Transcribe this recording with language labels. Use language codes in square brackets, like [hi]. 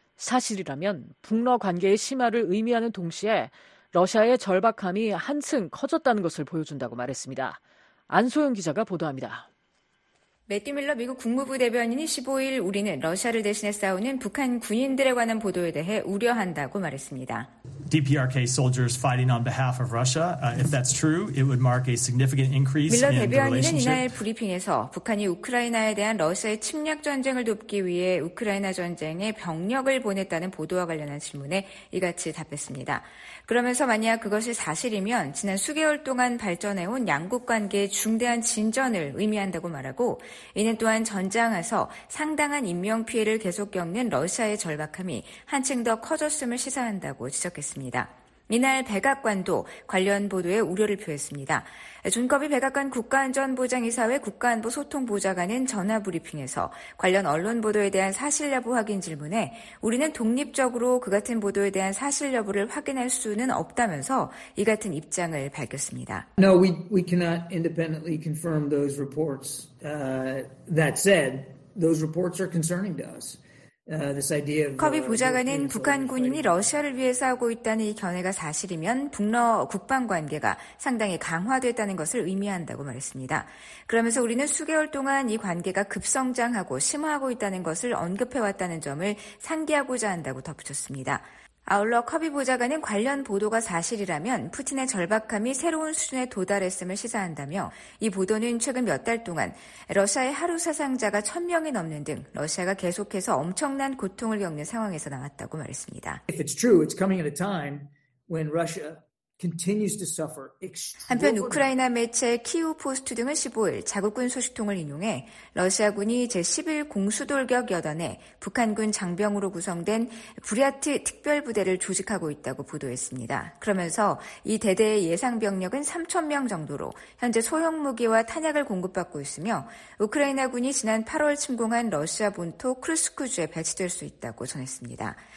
[ko] 사실이라면 북러 관계의 심화를 의미하는 동시에 러시아의 절박함이 한층 커졌다는 것을 보여준다고 말했습니다. 안소영 기자가 보도합니다. 매티 밀러 미국 국무부 대변인이 15일 우리는 러시아를 대신해 싸우는 북한 군인들에 관한 보도에 대해 우려한다고 말했습니다. [en] DPRK soldiers fighting on behalf of Russia. If that's true, it would mark a significant increase in the relationship. [ko] 밀러 대변인은 이날 브리핑에서 북한이 우크라이나에 대한 러시아의 침략 전쟁을 돕기 위해 우크라이나 전쟁에 병력을 보냈다는 보도와 관련한 질문에 이같이 답했습니다. 그러면서 만약 그것이 사실이면 지난 수개월 동안 발전해온 양국 관계의 중대한 진전을 의미한다고 말하고 이는 또한 전장에서 상당한 인명 피해를 계속 겪는 러시아의 절박함이 한층 더 커졌음을 시사한다고 지적했습니다. 이날 백악관도 관련 보도에 우려를 표했습니다. 존커비 백악관 국가안전보장이사회 국가안보소통보좌관은 전화브리핑에서 관련 언론 보도에 대한 사실 여부 확인 질문에 우리는 독립적으로 그 같은 보도에 대한 사실 여부를 확인할 수는 없다면서 이 같은 입장을 밝혔습니다. [en] No, we cannot independently confirm those reports. That said, those reports are concerning to us. [ko] 커비 보좌관은 북한 군인이 러시아를 위해 싸우고 있다는 이 견해가 사실이면 북러 국방관계가 상당히 강화됐다는 것을 의미한다고 말했습니다. 그러면서 우리는 수개월 동안 이 관계가 급성장하고 심화하고 있다는 것을 언급해왔다는 점을 상기하고자 한다고 덧붙였습니다. 아울러 커비 보좌관은 관련 보도가 사실이라면 푸틴의 절박함이 새로운 수준에 도달했음을 시사한다며 이 보도는 최근 몇 달 동안 러시아의 하루 사상자가 1,000명이 넘는 등 러시아가 계속해서 엄청난 고통을 겪는 상황에서 나왔다고 말했습니다. [en] If it's true, it's coming at a time when Russia continues to suffer extreme. [ko] 한편 우크라이나 매체 키우 포스트 등은 15일 자국군 소식통을 인용해 러시아군이 제11 공수돌격 여단에 북한군 장병으로 구성된 브리아트 특별부대를 조직하고 있다고 보도했습니다. 그러면서 이 대대의 예상 병력은 3,000명 정도로 현재 소형 무기와 탄약을 공급받고 있으며 우크라이나군이 지난 8월 침공한 러시아 본토 크루스크주에 배치될 수 있다고 전했습니다.